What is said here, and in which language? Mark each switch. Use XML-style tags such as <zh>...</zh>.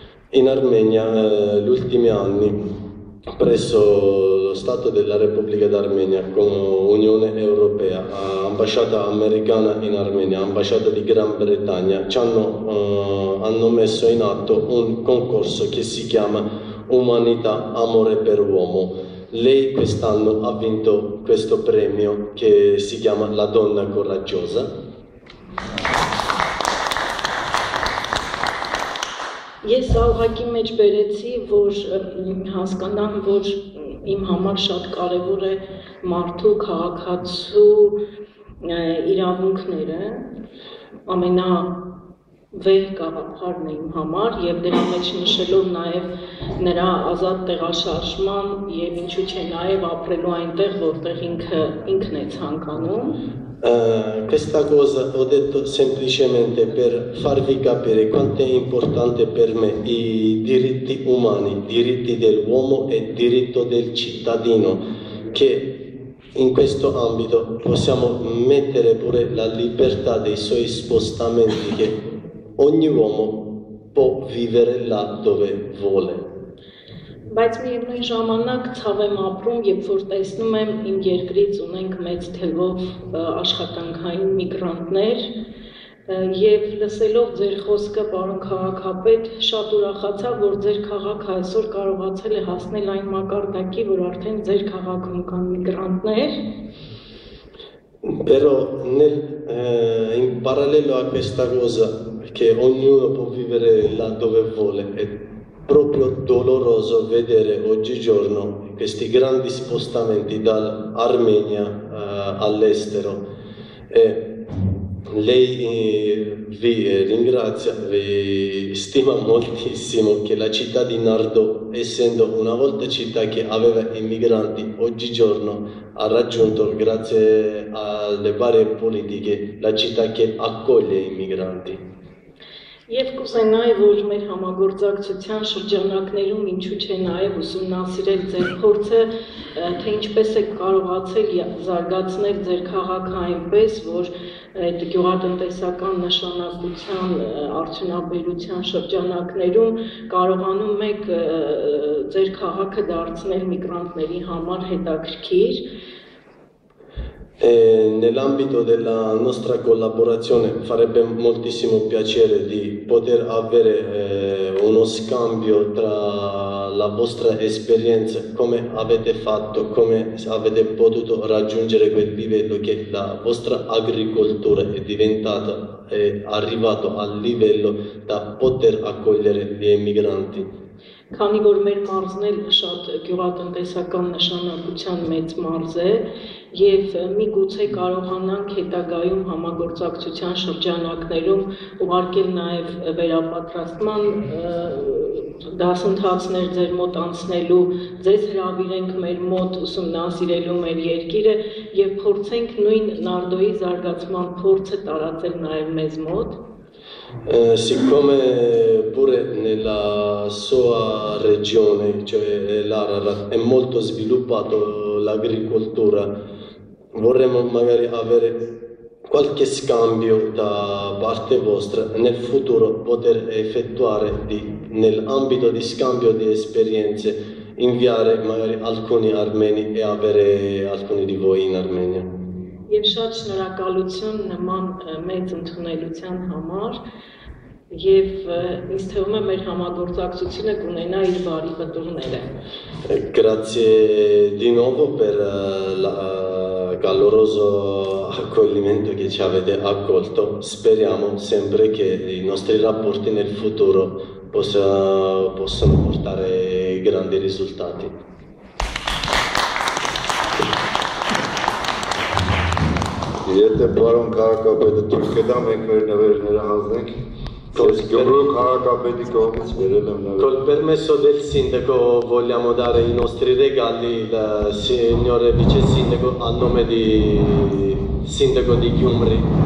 <it>In Armenia, gli ultimi anni, presso lo Stato della Repubblica d'Armenia, con Unione Europea, ambasciata americana in Armenia, ambasciata di Gran Bretagna, hanno messo in atto un concorso che si chiama Umanità, amore per uomo. Lei quest'anno ha vinto questo premio che si chiama La donna coraggiosa.</it> <hy>Ես ուղղակի մեջ բերեցի, որ հասկանան, որ իմ համար շատ կարևոր է մարդու քաղաքացու իրավունքները, ամենա վեհ գաղափարն է իմ համար եւ դրա մեջ նշելով նաեւ նրա ազատ տեղաշարժման եւ ինչու՞ չէ նաեւ ապրելու այնտեղ, որտեղ ինքն է ցանկանում.</hy> <it>Questa cosa ho detto semplicemente per farvi capire quanto è importante per me i diritti umani, diritti dell'uomo e diritto del cittadino, che in questo ambito possiamo mettere pure la libertà dei suoi spostamenti, che ogni uomo può vivere là dove vuole.</it> <hy>Բայց միևնույն ժամանակ ցավ եմ ապրում, երբ որ տեսնում եմ իմ երկրից ունենք մեծ թվով աշխատանքային միգրանտներ, եւ լսելով ձեր խոսքը, պարոն քաղաքապետ, շատ ուրախացա, որ ձեր քաղաքը այսօր կարողացել է հասնել այն մակարդակի, որ արդեն ձեր քաղաքում կան միգրանտներ.</hy> <it>Però nel in parallelo a questa cosa, che ognuno può vivere là dove vuole, è proprio doloroso vedere oggigiorno questi grandi spostamenti dall'Armenia all'estero. E lei vi ringrazia, vi stima moltissimo che la città di Nardò, essendo una volta città che aveva immigranti, oggigiorno ha raggiunto, grazie alle varie politiche, la città che accoglie i migranti.</it> <hy>Եվ կուզենայի, որ մեր համագործակցության շրջանակներում ինչու չէ նաև ուսումնասիրել ձեր փորձը, թե ինչպես եք կարողացել զարգացնել ձեր քաղաքը այնպես, որ այդ գյուղատնտեսական նշանակության արդյունաբերության շրջանակներում կարողանում եք ձեր քաղաքը դարձնել միգրանտների համար հետաքրքիր.</hy> <it>Nell'ambito della nostra collaborazione farebbe moltissimo piacere di poter avere uno scambio tra la vostra esperienza, come avete fatto, come avete potuto raggiungere quel livello che la vostra agricoltura è diventata, è arrivato al livello da poter accogliere gli emigranti.</it> <hy>Քանի որ մեր մարզն էլ շատ գյուղատնտեսական նշանակության մեծ մարզ է եւ մի գուցե կարողանանք հետագայում համագործակցության շրջանակներում ուղարկել նաեւ վերապատրաստման դասընթացներ ձեր մոտ անցնելու, ձեզ հրավիրենք մեր մոտ ուսումնասիրելու մեր երկիրը եւ փորձենք նույն նարդոյի զարգացման փորձը տարածել նաեւ մեզ մոտ.</hy> <it>Siccome pure nella sua regione, cioè l'Ararat, è molto sviluppato l'agricoltura, vorremmo magari avere qualche scambio da parte vostra nel futuro, poter effettuare nell'ambito di scambio di esperienze, inviare magari alcuni armeni e avere alcuni di voi in Armenia.</it> <hy>Եվ շատ շնորհակալություն նման մեծ ընդունելության համար եւ ինձ թվում է մեր համագործակցությունը կունենա իր բարի պատողները։</hy> <it>Grazie di nuovo per il caloroso accoglimento che ci avete accolto. Speriamo sempre che i nostri rapporti nel futuro possano portare grandi risultati.</it> <hy>Եթե պարոն քաղաքապետը դուրս գա, մենք մեր նվերները հանձնենք։ Քոս Գյումրու քաղաքապետի կողմից վերել եմ նվեր։</hy> <it>Col permesso del sindaco vogliamo dare i nostri regali al signore vice sindaco a nome di sindaco di Gyumri.</it>